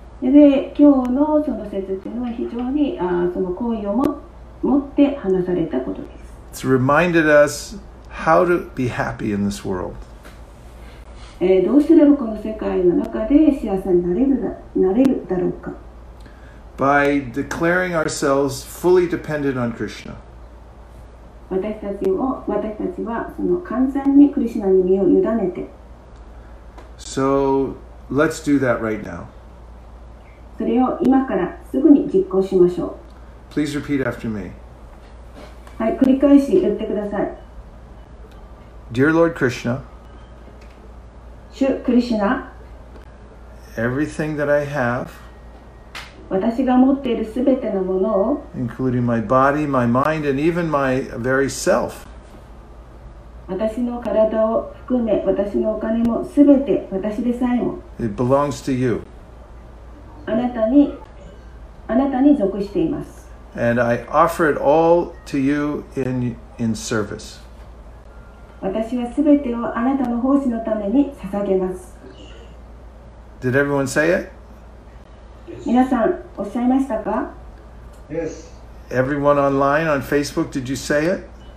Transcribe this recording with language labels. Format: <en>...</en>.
<ja>で今日のその説っていうのは非常にその好意を持って話されたことです。</ja> <en>It's reminded us how to be happy in this world.</en> <ja>どうすればこの世界の中で幸せになれる、なれるだろうか。</ja> <en>By declaring ourselves fully dependent on Krishna.</en> <ja>私たちはその完全にクリシュナに身を委ねて。</ja> <en>So let's do that right now.</en> <ja>それを今からすぐに実行しましょう。</ja> <en>Please repeat after me.</en> <ja>はい、繰り返し言ってください。</ja> <en>Dear Lord Krishna.</en> <ja>主クリシュナ。</ja> <en>Everything that I have.</en> <ja>私が持っているすべてのものを</ja> <en>including my body, my mind, and even my very self</en> <ja>私の体を含め私のお金もすべて私でさえも</ja> <en>it belongs to you</en> <ja>あなたに属しています</ja> <en>and I offer it all to you in service</en> <ja>私はすべてをあなたの奉仕のために捧げます</ja> <en>Did everyone say it?</en> <ja>皆さん、おっしゃいましたか?</ja> <en>Yes. Everyone online on Facebook, did you say it?</en>